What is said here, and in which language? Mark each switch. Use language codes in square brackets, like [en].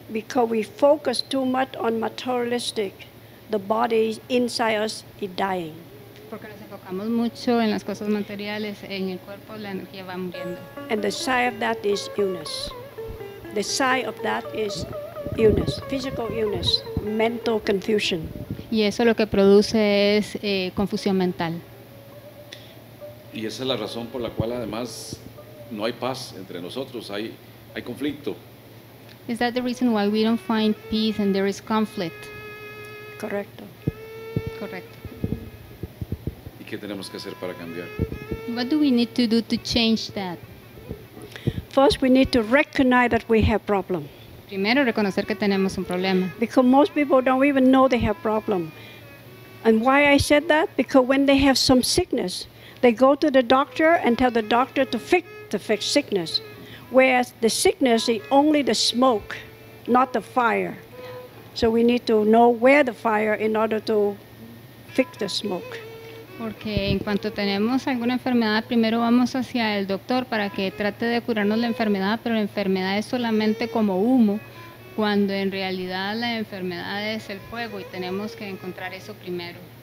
[en] Because we focus too much on materialistic, the body inside us is dying. [es] Porque nos enfocamos mucho en las cosas materiales, en el cuerpo la energía va muriendo. [en] And the sign of that is illness. The sign of that is illness, physical illness, mental confusion. [es] Y eso lo que produce es confusión mental. Y esa es la razón por la cual además no hay paz entre nosotros, hay conflicto. [en] Is that the reason why we don't find peace and there is conflict? [es] Correcto. Correcto. ¿Y qué tenemos que hacer para cambiar? [en] What do we need to do to change that? First, we need to recognize that we have problem. [es] Primero, reconocer que tenemos un problema. [en] Because most people don't even know they have problem. And why I said that? Because when they have some sickness, they go to the doctor and tell the doctor to fix sickness, whereas the sickness is only the smoke, not the fire. So we need to know where the fire in order to fix the smoke. [es] Porque en cuanto tenemos alguna enfermedad, primero vamos hacia el doctor para que trate de curarnos la enfermedad, pero la enfermedad es solamente como humo, cuando en realidad la enfermedad es el fuego y tenemos que encontrar eso primero.